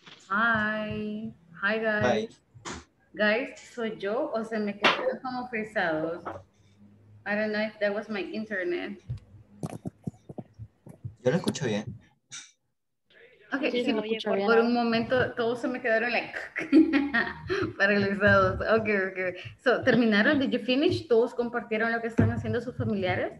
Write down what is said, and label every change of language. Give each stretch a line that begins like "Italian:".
English: Hi, hi guys. Hi.
Spanish: Guys, ¿soy yo o se me quedaron como frisados?
English: I don't know if that was my internet.
Spanish: Yo lo escucho bien. Okay, sí, por un momento todos se me quedaron like paralizados. Okay. So, ¿terminaron?
English: Did you finish?
Spanish: ¿Todos compartieron lo que están haciendo sus familiares?